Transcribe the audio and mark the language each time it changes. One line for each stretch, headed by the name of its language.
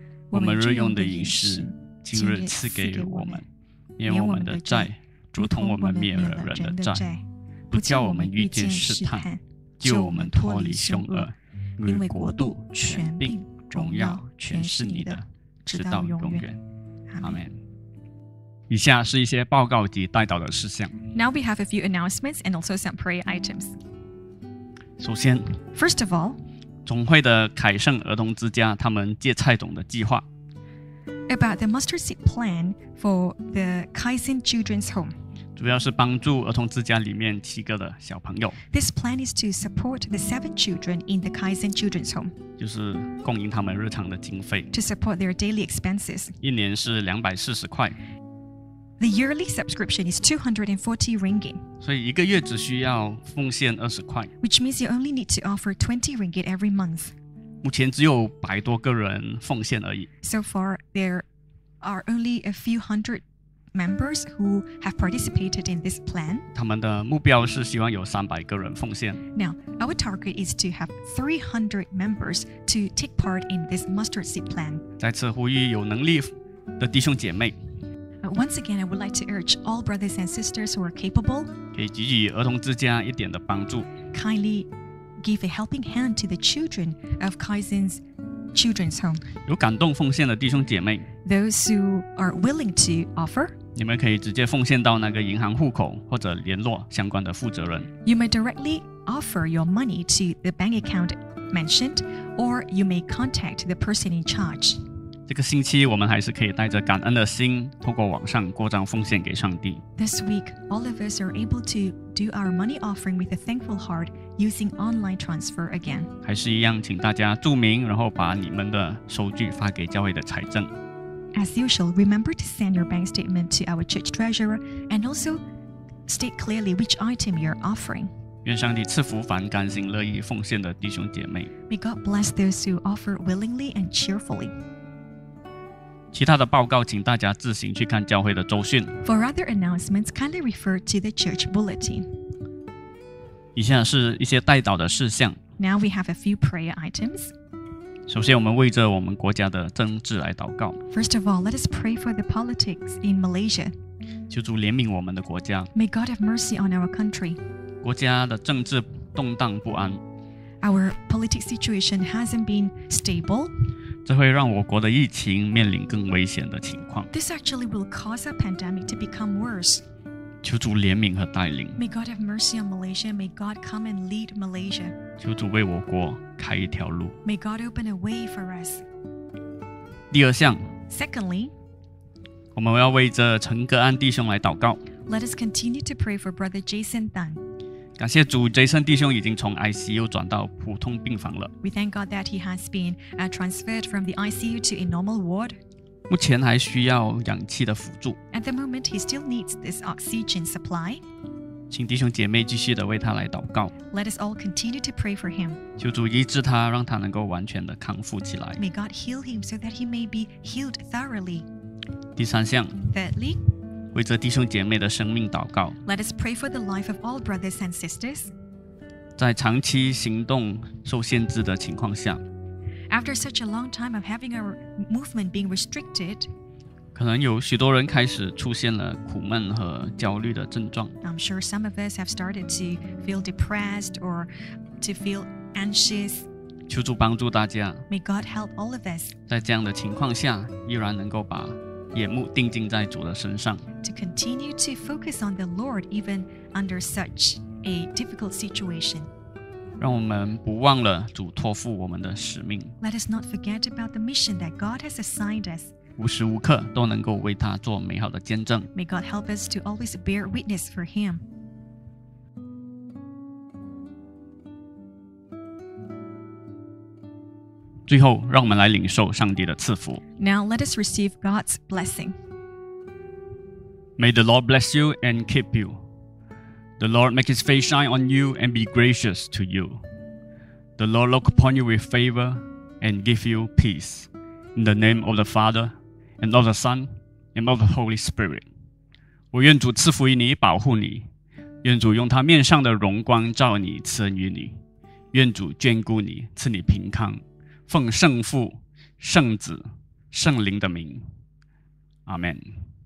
Chinese: 我们日用的饮食，今日赐给我们，免我们的债，如同我们免了人的债，不叫我们遇见试探，救我们脱离凶恶，因为国度、权柄、荣耀全是你的，直到永远。阿们。以下是一些报告及代祷的事项。
English: Now we have a few announcements and also some prayer items.
Chinese: 首先
English: First of all,
Chinese: 总会的凯盛儿童之家他们芥菜种的计划。
English: About the mustard seed plan for the Kaizen Children's Home.
Chinese: 主要是帮助儿童之家里面七个的小朋友。
English: This plan is to support the seven children in the Kaizen Children's Home.
Chinese: 就是供应他们日常的经费
English: to support their daily expenses.
Chinese: 一年是240块
English: The yearly subscription is 240 ringgit.
Chinese: 所以一个月只需要奉献20块
English: Which means you only need to offer 20 ringgit every month.
Chinese: 目前只有百多个人奉献而已
English: So far, there are only a few hundred members who have participated in this plan.
Chinese: 他们的目标是希望有300个人奉献
English: Now,Our target is to have 300 members to take part in this mustard seed plan.
Chinese: 再次呼吁有能力的弟兄姐妹。
English: Once again, I would like to urge all brothers and sisters who are capable.
Chinese: 可以给予儿童之家一点的帮助。
English: Kindly give a helping hand to the children of Kaizen's Children's Home.
Chinese: 有感动奉献的弟兄姐妹。
English: Those who are willing to offer.
Chinese: 你们可以直接奉献到那个银行户口或者联络相关的负责人。
English: You may directly offer your money to the bank account mentioned, or you may contact the person in charge.
Chinese: 这个星期我们还是可以带着感恩的心，透过网上过账奉献给上帝。
English: This week, all of us are able to do our money offering with a thankful heart using online transfer again.
Chinese: 还是一样，请大家注明，然后把你们的收据发给教会的财政。
English: As usual, remember to send your bank statement to our church treasurer and also state clearly which item you're offering.
Chinese: 愿上帝赐福凡甘心乐意奉献的弟兄姐妹。
English: May God bless those who offer willingly and cheerfully.
Chinese: 其他的报告请大家自行去看教会的周讯。
English: For other announcements, kindly refer to the church bulletin.
Chinese: 以下是一些代祷的事项。
English: Now we have a few prayer items.
Chinese: 首先我们为着我们国家的政治来祷告
English: First of all, let us pray for the politics in Malaysia
Chinese: 求主怜悯我们的国家
English: May God have mercy on our country
Chinese: 国家的政治动荡不安
English: Our political situation hasn't been stable
Chinese: 这会让我国的疫情面临更危险的情况
English: This actually will cause a pandemic to become worse
Chinese: 求主怜悯和带领
English: May God have mercy on Malaysia, may God come and lead Malaysia
Chinese: 求主为我国开一条路。
English: May God open a way for us.
Chinese: 第二项。
English: Secondly,
Chinese: 我们要为着陈格安弟兄来祷告。
English: Let us continue to pray for Brother Jason Tan.
Chinese: 感谢主 ，Jason 弟兄已经从 ICU 转到普通病房了。
English: We thank God that he has been transferred from the ICU to a normal ward.
Chinese: 目前还需要氧气的辅助。
English: At the moment, he still needs this oxygen supply.
Chinese: 请弟兄姐妹继续的为他来祷告。
English: Let us all continue to pray for him.
Chinese: 求主医治他，让他能够完全的康复起来。
English: May God heal him so that he may be healed thoroughly.
Chinese: 第三项。
English: Thirdly,
Chinese: 为着弟兄姐妹的生命祷告。
English: Let us pray for the life of all brothers and sisters.
Chinese: 在长期行动受限制的情况下。
English: After such a long time of having our movement being restricted,
Chinese: 可能有许多人开始出现了苦闷和焦虑的症状。
English: I'm sure some of us have started to feel depressed or to feel anxious.
Chinese: 求主帮助大家。
English: May God help all of us.
Chinese: 在这样的情况下，依然能够把眼目定睛在主的身上。
English: To continue to focus on the Lord even under such a difficult situation.
Chinese: 让我们不忘了主托付我们的使命。
English: Let us not forget about the mission that God has assigned us.
Chinese: 无时无刻都能够为他做美好的见证。
English: May God help us to always bear witness for him.
Chinese: 最后，让我们来领受上帝的赐福。
English: Now let us receive God's blessing. May the Lord bless you and keep you. The Lord make his face shine on you and be gracious to you. The Lord look upon you with favor and give you peace. In the name of the Father, and of the Son, and of the Holy Spirit.
Chinese: 我愿主赐福于你，保护你。愿主用他面上的荣光照你，赐恩于你。愿主眷顾你，赐你平康。奉圣父、圣子、圣灵的名。 Amen.